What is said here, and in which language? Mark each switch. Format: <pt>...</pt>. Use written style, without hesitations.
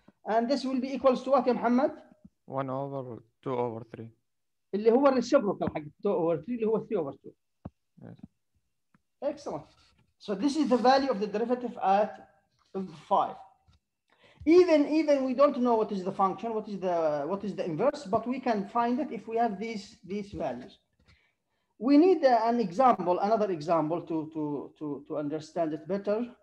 <en>And this will be equals to what, Muhammad? 1 over 2 over 3.</en> <ar>اللي هو الريسيبروكال حق 2 over 3 اللي هو 3 over 2.</ar> <en>Yes. Excellent. So this is the value of the derivative at 5. Even we don't know what is the function, what is the inverse, but we can find it if we have these values. We need another example to understand it better.</en>